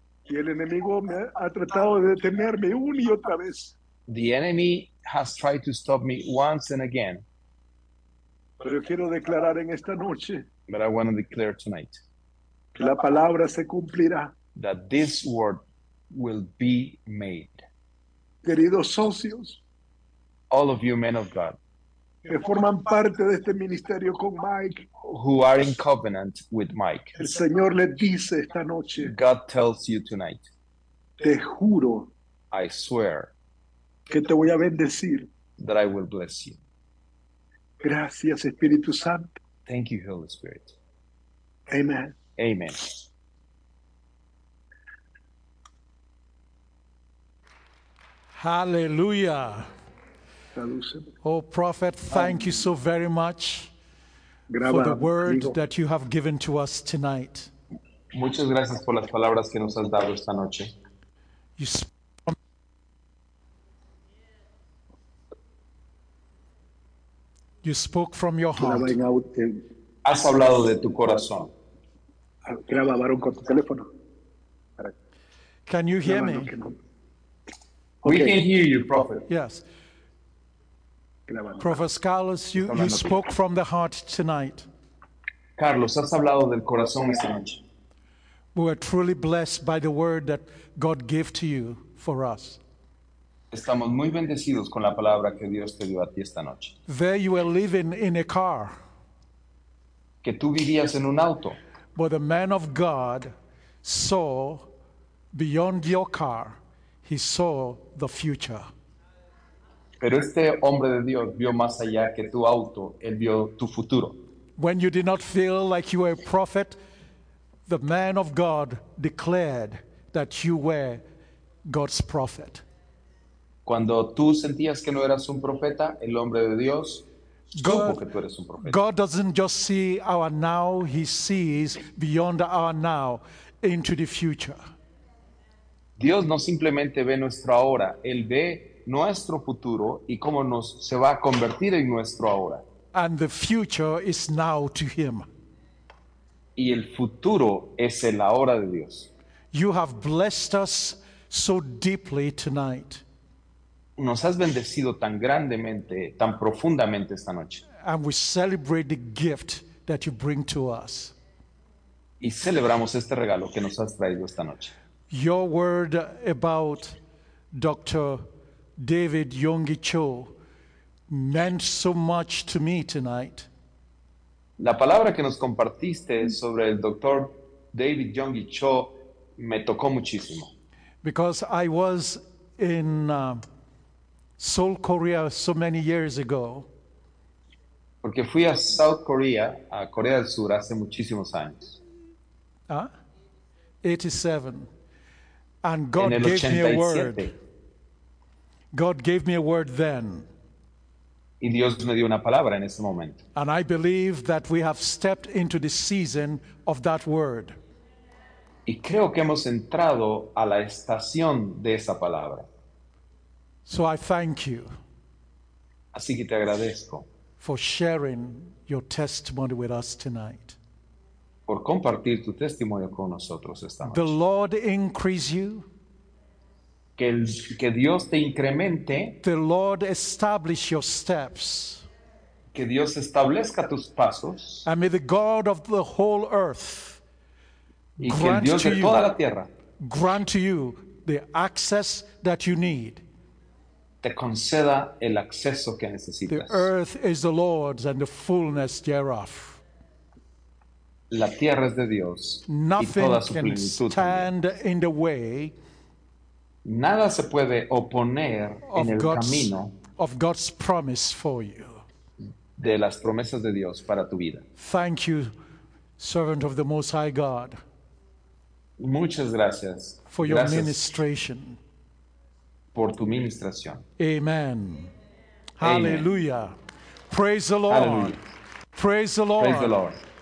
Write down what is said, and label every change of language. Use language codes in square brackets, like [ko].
[es] Y el enemigo me ha tratado de detenerme una y otra vez. [en] The enemy has tried to stop me once and again. [es] Pero quiero declarar en esta noche. [en] But I want to declare tonight. [es] Que la palabra se cumplirá. [en] That this word will be made. [es] Queridos socios. [en] All of you men of God. [es] Que forman parte de este ministerio con Mike. [en] Who are in covenant with Mike. [es] El Señor le dice esta noche. [en] God tells you tonight. [es] Te juro. [en] I swear. [es] Que te voy a bendecir. [en] That I will bless you. [es] Gracias, Espíritu Santo. [en] Thank you, Holy Spirit. Amen. Amen. Hallelujah. Oh, prophet, thank you so very much for the word that you have given to us tonight. [es] Muchas gracias por las palabras que nos has dado esta noche. [en] You spoke from your heart. [es] Has hablado de tu corazón. Graba, varón, con tu teléfono. [en] Can you hear me? Okay. We can hear you, Prophet. Yes. Prophet Carlos, you spoke from the heart tonight. [es] Carlos, has hablado del corazón esta noche. [en] We are truly blessed by the word that God gave to you for us. [es] Estamos muy bendecidos con la palabra que Dios te dio a ti esta noche. [en] There you were living in a car. [es] Que tú vivías en un auto. [en] But the man of God saw beyond your car, he saw the future. [es] Pero este hombre de Dios vio más allá que tu auto, él vio tu futuro. [en] When you did not feel like you were a prophet, the man of God declared that you were God's prophet. [es] Cuando tú sentías que no eras un profeta, el hombre de Dios God, supo que tú eres un profeta. [en] God doesn't just see our now, he sees beyond our now into the future. [es] Dios no simplemente ve nuestro ahora, él ve nuestro futuro y cómo nos se va a convertir en nuestro ahora. [en] And the future is now to him. [es] Y el futuro es el ahora de Dios. [en] You have blessed us so deeply tonight. [es] Nos has bendecido tan grandemente, tan profundamente esta noche. [en] And we celebrate the gift that you bring to us. [es] Y celebramos este regalo que nos has traído esta noche. [en] Your word about Dr. David Yonggi Cho meant so much to me tonight. [es] La palabra que nos compartiste sobre el Dr. David Yonggi Cho me tocó muchísimo. [en] Because I was in Seoul, Korea so many years ago. [es] Porque fui a South Korea, a Corea del Sur, hace muchísimos años. [en] 87. And God gave me a word. God gave me a word then. [es] Y Dios me dio una palabra en ese momento. [en] And I believe that we have stepped into the season of that word. [es] Y creo que hemos entrado a la estación de esa palabra. [en] So I thank you. [es] Así que te agradezco. [en] For sharing your testimony with us tonight. [es] Por compartir tu testimonio con nosotros esta noche. [en] The Lord increase you. [es] Que Dios te incremente. [en] The Lord establish your steps. [es] Que Dios establezca tus pasos. [en] And may the God of the whole earth [es] y que el Dios de toda la tierra [en] grant to you the access that you need. [es] Te conceda el acceso que necesitas. [en] The earth is the Lord's and the fullness thereof. [es] La tierra es de Dios. [en] Nothing [es] y toda su [en] can [es] plenitud [en] stand [es] también. [en] In the way. [es] Nada se puede oponer [en] of [es] en el [en] God's, [es] camino [en] of God's promise for you. [es] De las promesas de Dios para tu vida. [en] Thank you, servant of the Most High God. [es] Muchas gracias. [en] For your gracias ministration. [es] Por tu ministración. [en] Amen. Hallelujah. Amen. Praise the Lord. Hallelujah. Praise the Lord. Praise the Lord.